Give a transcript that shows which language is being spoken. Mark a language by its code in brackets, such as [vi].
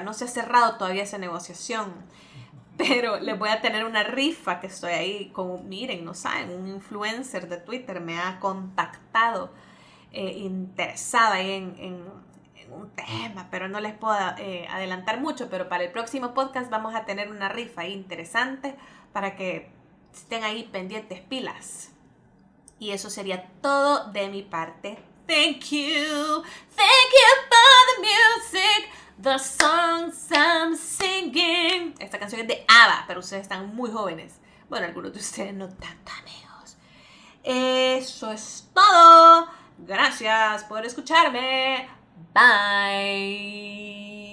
[es] No se ha cerrado todavía esa negociación, pero les voy a tener una rifa que estoy ahí con, miren, no saben, un influencer de Twitter me ha contactado, interesada ahí en un tema, pero no les puedo adelantar mucho, pero para el próximo podcast vamos a tener una rifa ahí interesante para que estén ahí pendientes pilas. Y eso sería todo de mi parte. [en] Thank you for the music, the songs I'm singing. [es] Esta canción es de ABBA, pero ustedes están muy jóvenes. Bueno, algunos de ustedes no tanto, amigos. Eso es todo. Gracias por escucharme. [en] Bye.